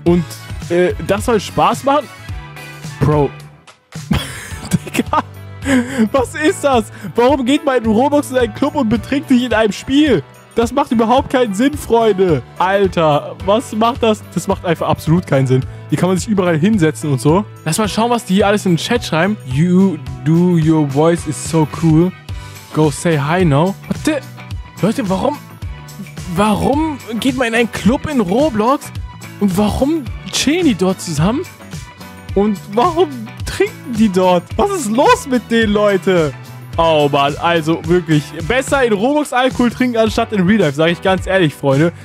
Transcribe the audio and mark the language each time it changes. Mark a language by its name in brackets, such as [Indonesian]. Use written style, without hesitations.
[German] Und das soll Spaß machen? Bro. Digga. Was ist das? Warum geht man in Robux in einen Club und betrinkt sich in einem Spiel? Das macht überhaupt keinen Sinn, Freunde. Alter, was macht das? Das macht einfach absolut keinen Sinn. Hier kann man sich überall hinsetzen und so. Lass mal schauen, was die hier alles in den Chat schreiben. [English] You do your voice is so cool. Go say hi now. [German] Warte, Leute, warum? Warum geht man in einen Club in Roblox? Und warum chillen die dort zusammen? Und warum trinken die dort? Was ist los mit denen, Leute? Oh Mann, also wirklich. Besser in Roblox Alkohol trinken, anstatt in Real Life, sage ich ganz ehrlich, Freunde.